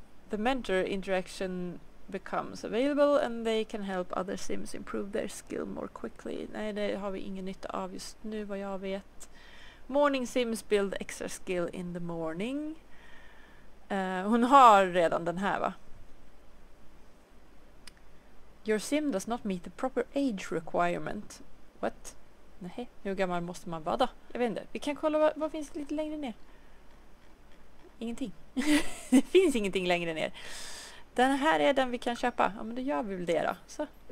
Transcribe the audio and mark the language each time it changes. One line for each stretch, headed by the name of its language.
English: The mentor interaction becomes available and they can help other sims improve their skill more quickly.
Swedish: Nej, det har vi ingen nytta av just nu, vad jag vet.
English: Morning sims build extra skill in the morning.
Swedish: Hon har redan den här, va?
English: Your sim does not meet the proper age requirement. What?
Swedish: Nej, hur gammal måste man vara då? Jag vet inte. Vi kan kolla vad finns lite längre ner. Ingenting. Det finns ingenting längre ner. Den här är den vi kan köpa. Ja, men då gör vi väl det då. Så.